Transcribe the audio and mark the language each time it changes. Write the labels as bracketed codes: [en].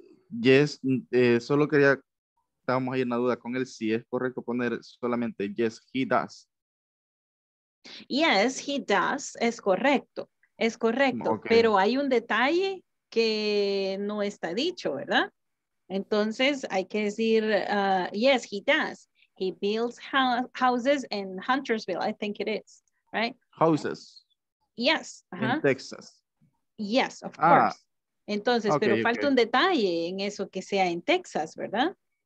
[es] Yes, solo quería, estábamos ahí en la duda con él, si es correcto poner solamente [en] yes, he does. Yes, he does, [es] es correcto, [en] okay. [es] Pero hay un detalle que no está dicho, ¿verdad? Entonces hay que decir, [en] yes, he does. He builds houses in Huntersville, I think it is, right? Houses. Yes. Uh-huh. In Texas. Yes, of course. [es] Entonces, okay, pero falta un detalle en eso que sea en Texas, ¿verdad?